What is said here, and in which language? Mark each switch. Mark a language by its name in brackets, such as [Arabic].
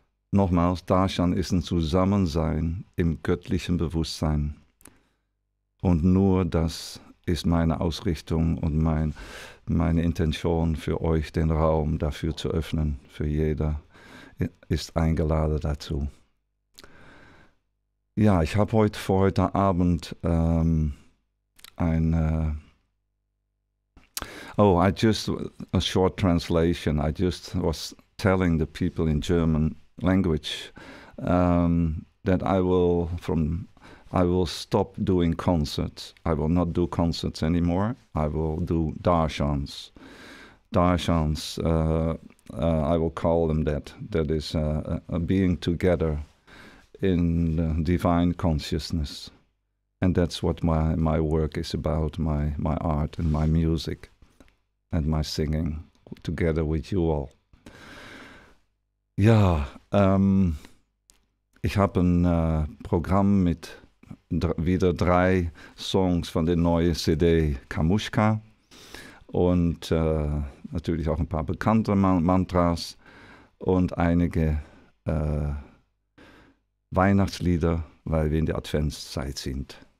[German] Nochmals, Darshan ist ein Zusammensein im göttlichen Bewusstsein. Und nur das ist meine Ausrichtung und meine Intention für euch, den Raum dafür zu öffnen. Für jeder ist eingeladen dazu. Ja, ich habe heute Abend [English] I was telling the people in German language that I will stop doing concerts. I will not do concerts anymore. I will do darshans. Darshans, I will call them that. That is a being together in divine consciousness. And that's what my work is about, my art and my music and my singing together with you all. [German] Ja, ich habe ein Programm mit wieder drei Songs von der neuen CD Kamushka und natürlich auch ein paar bekannte Mantras und einige Weihnachtslieder, weil wir in der Adventszeit sind.